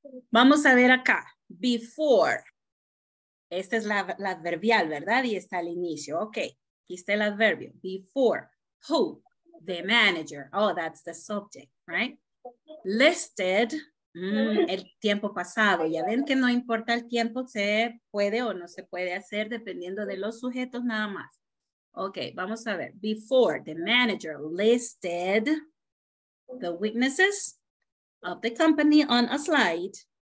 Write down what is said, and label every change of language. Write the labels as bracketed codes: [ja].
[es] Vamos a ver acá, before. Esta es la adverbial, ¿verdad? Y está al inicio, okay. Aquí está el adverbio, [en] before, who, the manager, oh, that's the subject, right? [es] Listed, el tiempo pasado, ya ven que no importa el tiempo, se puede o no se puede hacer dependiendo de los sujetos nada más. [en] Ok, [es] vamos a ver, [en] before, the manager listed the weaknesses of the company on a slide.